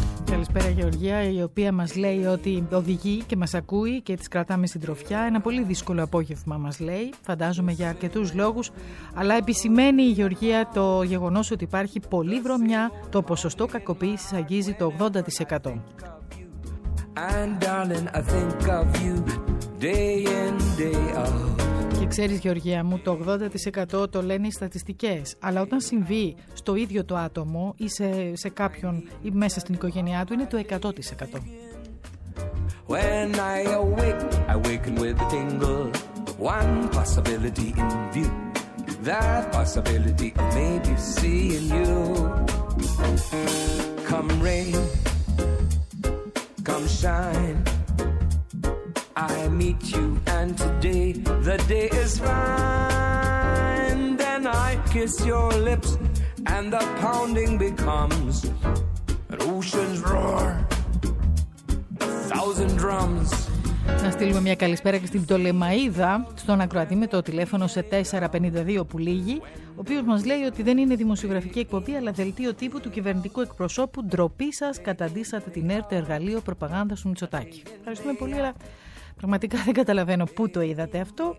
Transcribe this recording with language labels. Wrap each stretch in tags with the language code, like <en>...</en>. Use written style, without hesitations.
<el>Καλησπέρα Γεωργία, η οποία μας λέει ότι οδηγεί και μας ακούει και τις κρατάμε στην τροφιά. Ένα πολύ δύσκολο απόγευμα μας λέει, φαντάζομαι για αρκετούς λόγους, αλλά επισημαίνει η Γεωργία το γεγονός ότι υπάρχει πολύ βρωμιά. Το ποσοστό κακοποίησης αγγίζει το 80%.</el> <en>And darling, I think of you. Day in, day out.</en> <el>Και ξέρεις Γεωργία μου, το 80% το λένε οι στατιστικές. Αλλά όταν συμβεί στο ίδιο το άτομο ή σε κάποιον ή μέσα στην οικογένειά του, είναι το 100%.</el> <en>When I awake, I waken with a tingle. One possibility in view. That possibility of maybe seeing you. Come rain, come shine. I meet you and today the day is fine. Then I kiss your lips and the pounding becomes an ocean's roar, a thousand drums.</en> <el>Να στείλουμε μια καλησπέρα και στην Πτολεμαϊδα, στον ακροατή με το τηλέφωνο σε 452 που λύγει, ο οποίος μας λέει ότι δεν είναι δημοσιογραφική εκπομπή αλλά δελτίο τύπου του κυβερνητικού εκπροσώπου. Ντροπή σας, καταντήσατε την ΕΡΤ εργαλείο προπαγάνδας του Μητσοτάκη. Ευχαριστούμε πολύ, αλλά πραγματικά δεν καταλαβαίνω πού το είδατε αυτό.</el>